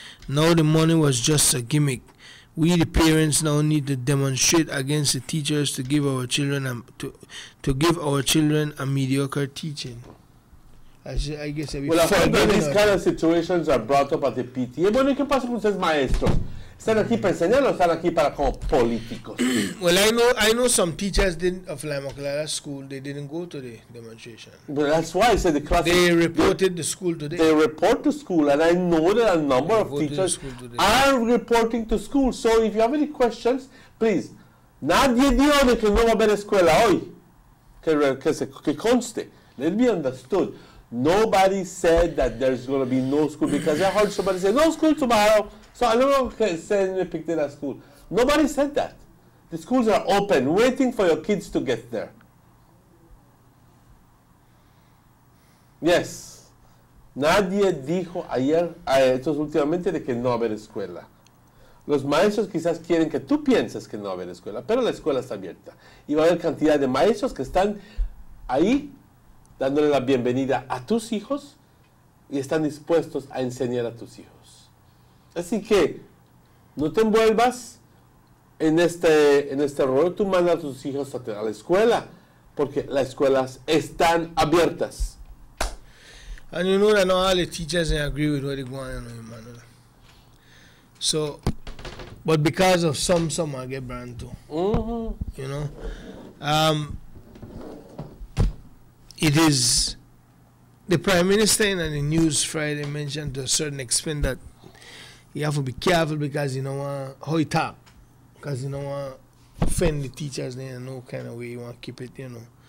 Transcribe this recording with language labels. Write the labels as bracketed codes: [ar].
[en] Now the money was just a gimmick. We the parents now need to demonstrate against the teachers to give our children a mediocre teaching. These kind of situations are brought up at the PTA. [es] Bueno, ¿qué pasa con ustedes, maestros? ¿Están aquí para enseñar o están aquí para como políticos? [en] Well, I know some teachers of La Maclara School, they didn't go to the demonstration. But that's why I said the class. They reported the school today. They report to school, and I know that a number of teachers are reporting to school. So if you have any questions, please. [es] Nadie dijo que no va a haber escuela hoy. Que conste. [en] Let me understood. Nobody said that there's going to be no school, because I heard somebody say, no school tomorrow. So I don't know if they picked it at school. Nobody said that. The schools are open, waiting for your kids to get there. Yes. [es] Nadie dijo ayer, últimamente, de que no haber escuela. Los maestros quizás quieren que tú pienses que no haber escuela, pero la escuela está abierta. Y va a haber cantidad de maestros que están ahí, dándole la bienvenida a tus hijos y están dispuestos a enseñar a tus hijos. Así que no te envuelvas en este rol. Tú mandas a tus hijos a la escuela porque las escuelas están abiertas. [en] And you know that not all the teachers agree with what they're going on, Emmanuel. So, but because of some I get burned too. Mm-hmm. You know. It is the Prime Minister in the news Friday mentioned to a certain extent that you have to be careful because you know how you talk, because you know offend the teachers in no kind of way, you want to keep it, you know.